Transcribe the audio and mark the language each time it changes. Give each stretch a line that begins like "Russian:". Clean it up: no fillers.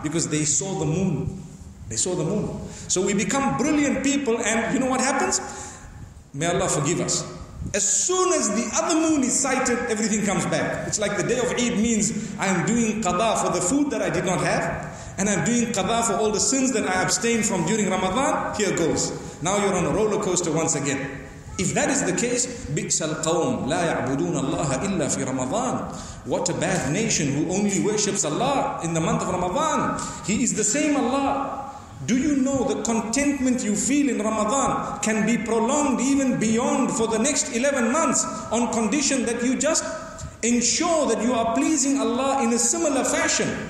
English: Because they saw the moon. They saw the moon. So we become brilliant people, and you know what happens? May Allah forgive us. As soon as the other moon is sighted, everything comes back. It's like the day of Eid means I'm doing qada for the food that I did not have, and I'm doing qada for all the sins that I abstained from during Ramadan. Here goes. Now you're on a roller coaster once again. If that is the case,
Arabic: بِئْسَ الْقَوْمُ لَا يَعْبُدُونَ اللَّهَ إِلَّا فِي رَمَضَانَ.
English: What a bad nation who only worships Allah in the month of Ramadan. He is the same Allah. Do you know the contentment you feel in Ramadan can be prolonged even beyond for the next 11 months on condition that you just ensure that you are pleasing Allah in a similar fashion?